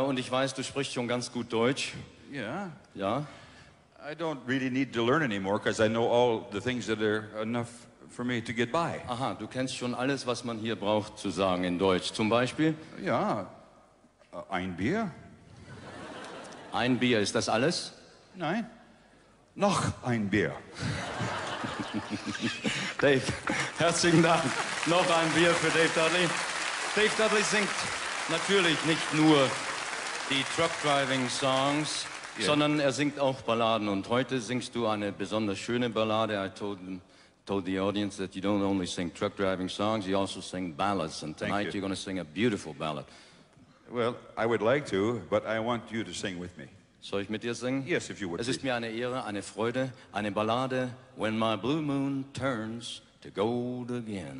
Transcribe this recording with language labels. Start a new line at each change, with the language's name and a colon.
German: Und ich weiß, du sprichst schon ganz gut Deutsch. Ja. Ja.
English: I don't really need to learn anymore, because I know all the things that are enough for me to get by.
German: Aha, du kennst schon alles, was man hier braucht zu sagen in Deutsch. Zum Beispiel? Ja. Ein Bier. Ein Bier, ist das alles? Nein. Noch ein Bier. Dave, herzlichen Dank. Noch ein Bier für Dave Dudley. Dave Dudley singt natürlich nicht nur die Truck-Driving-Songs, sondern er singt auch Balladen. Und heute singst du eine besonders schöne Ballade.
English: I told the audience that you don't only sing truck driving songs, you also sing ballads. And tonight you're going to sing a beautiful ballad. Well, I would like to, but I want you to sing with me.
German: Soll ich mit dir singen?
English: Yes, if you would.
German: Es ist mir eine Ehre, eine Freude, eine Ballade, When My Blue Moon Turns to Gold Again.